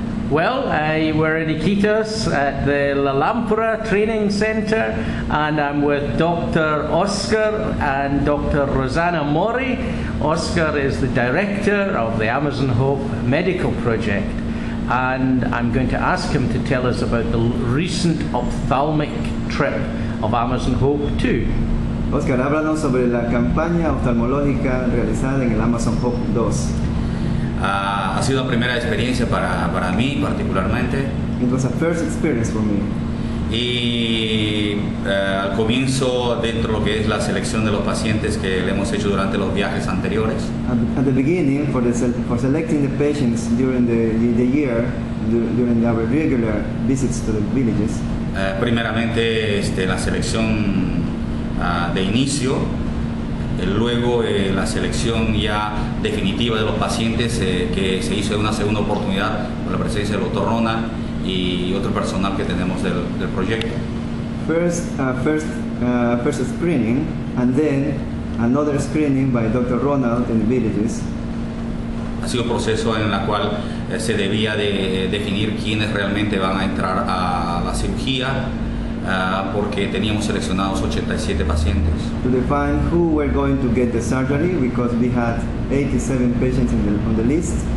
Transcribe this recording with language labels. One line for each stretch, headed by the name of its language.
English: Well, we're in Iquitos at the La Lampara Training Center, and I'm with Dr. Oscar and Dr. Rosana Mori. Oscar is the director of the Amazon Hope Medical Project, and I'm going to ask him to tell us about the recent ophthalmic trip of Amazon Hope 2.
Spanish: Oscar, háblanos sobre la campaña oftalmológica realizada en el Amazon Hope 2. Ha sido la primera experiencia para mí particularmente.
English: It was a first experience for me.
Spanish: Y al comienzo, dentro de lo que es la selección de los pacientes que le hemos hecho durante los viajes anteriores.
English: At the beginning, for selecting the patients during the year, during our regular visits to the villages.
Spanish: Primeramente, la selección de inicio. Luego la selección ya definitiva de los pacientes que se hizo en una segunda oportunidad con la presencia del Dr. Rona y otro personal que tenemos del proyecto.
English: First screening and then another screening by Dr. Ronald in the villages.
Spanish: Ha sido un proceso en la cual se debía de definir quiénes realmente van a entrar a la cirugía. Porque teníamos seleccionados 87 pacientes.
English: To define who were going to get the surgery, because we had 87 patients on the list.